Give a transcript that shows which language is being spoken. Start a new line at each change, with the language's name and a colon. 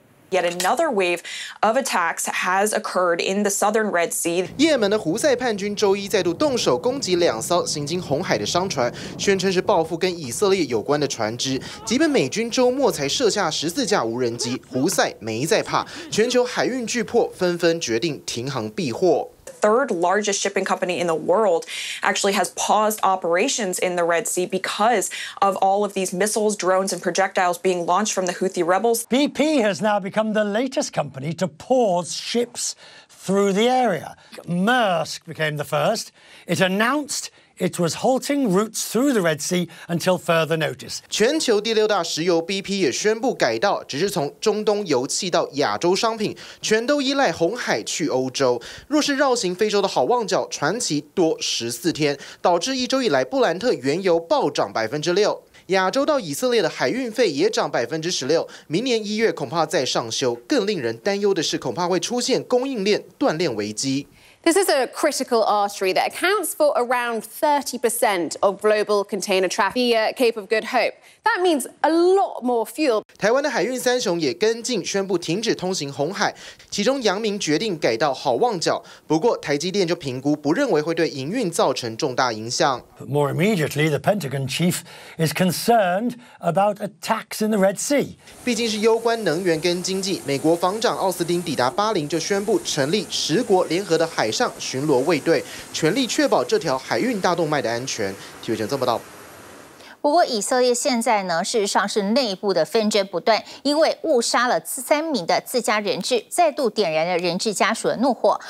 English: Yet another wave of attacks has occurred in the southern Red Sea.
Chinese: 也门的胡塞叛军周一再度动手攻击两艘行经红海的商船，宣称是报复跟以色列有关的船只。即便美军周末才射下14架无人机，胡塞没再怕，全球海运巨破纷纷决定停航避祸。
English: Third largest shipping company in the world actually has paused operations in the Red Sea because of all of these missiles, drones, and projectiles being launched from the Houthi rebels. BP has now become the latest company to pause ships through the area. Maersk became the first. It announced. It was halting routes through the Red Sea until further notice.
Chinese: 全球第六大石油 BP 也宣布改道，只是从中东油气到亚洲商品，全都依赖红海去欧洲。若是绕行非洲的好望角，传奇多14天，导致一周以来布兰特原油暴涨6%。亚洲到以色列的海运费也涨16%，明年1月恐怕再上修。更令人担忧的是，恐怕会出现供应链断裂危机。
English: This is a critical artery that accounts for around 30% of global container traffic via Cape of Good Hope. That means a lot more fuel.
Chinese: 台湾的海运三雄也跟进，宣布停止通行红海，其中阳明决定改到好望角。不过台积电就评估，不认为会对营运造成重大影响。
English: But more immediately, the Pentagon chief is concerned about attacks in the Red Sea.
Chinese: 毕竟是攸关能源跟经济，美国防长奥斯汀抵达巴林就宣布成立十国联合的海上巡逻卫队，全力确保这条海运大动脉的安全。体育记者这么道。不过以色列现在呢，事实上是内部的纷争不断，因为误杀了3名的自家人质，再度点燃了人质家属的怒火。